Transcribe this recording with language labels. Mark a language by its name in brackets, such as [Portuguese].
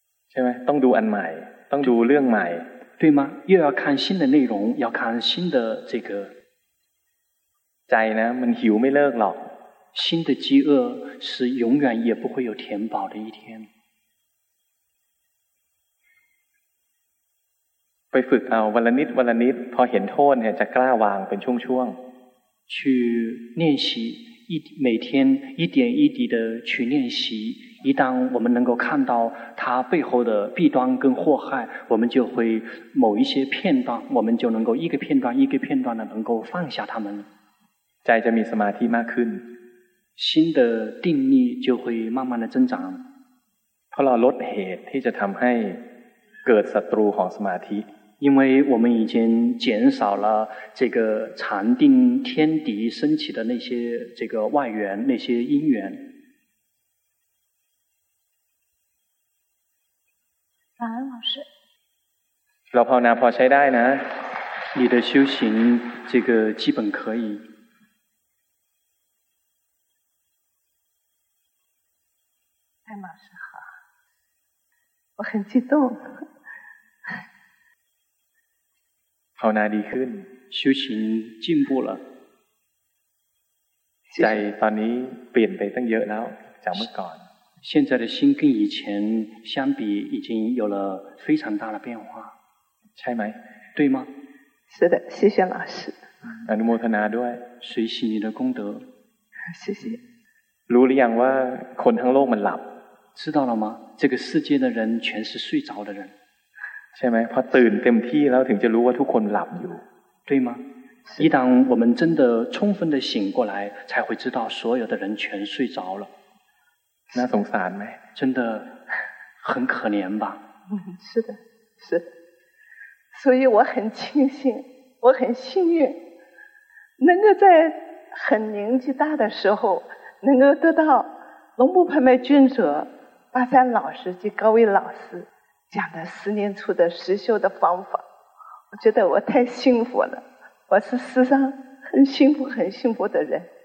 [Thai] ใช่ไหมต้องดูอันใหม่ต้องดูเรื่องใหม่ [Chinese] 对吗又要看新的内容要看新的这个 [Thai] ใจนะมันหิวไม่เลิกหรอก [Chinese] 新的饥饿是永远也不会有填饱的一天 [Thai] ไปฝึกเอาวันละนิดวันละนิดพอเห็นโทษเนี่ยจะกล้าวางเป็นช่วง [Chinese] ๆ去练习每天一点一滴的去练习，一旦我们能够看到它背后的弊端跟祸害，我们就会某一些片段，我们就能够一个片段一个片段的能够放下它们。在这面 [Thai] สมาธิมากขึ้น， [Chinese] 新的定力就会慢慢的增长。 [Thai] เพราะเราลดเหตุที่จะทำให้เกิดศัตรูของสมาธิ。 [Chinese] 因为我们已经减少了这个禅定天敌升起的那些这个外缘那些因缘。感恩老师。 [Thai] เราภาวนาพอใช้ได้นะ。 [Chinese] 你的修行这个基本可以。哎，老师好，我很激动。 [Thai] ภาวนาดีขึ้น [Chinese] 修行进步了 [Thai] ใจตอนนี้เปลี่ยนไปตั้งเยอะแล้วจากเมื่อก่อน [Chinese] 现在的心跟以前相比已经有了非常大的变化 [Thai] ใช่ไหม [Chinese] 对吗是的谢谢老师 [Thai] อนุโมทนาด้วย [Chinese] 随喜你的功德谢谢 [Thai] รู้หรือยังว่าคนทั้งโลกมันหลับ [Chinese] 知道了吗这个世界的人全是睡着的人 [Thai] ใช่ไหมพอตื่นเต็มที่แล้วถึงจะรู้ว่าทุกคนหลับอยู่ [Chinese] 对吗一旦我们真的充分的醒过来才会知道所有的人全睡着了 [Thai] น่าสงสารไหม [Chinese] 真的很可怜吧是的是的所以我很庆幸我很幸运能够在很年纪大的时候能够得到龙布拍卖尊者巴山老师及高位老师讲的十年初的实修的方法我觉得我太幸福了我是世上很幸福很幸福的人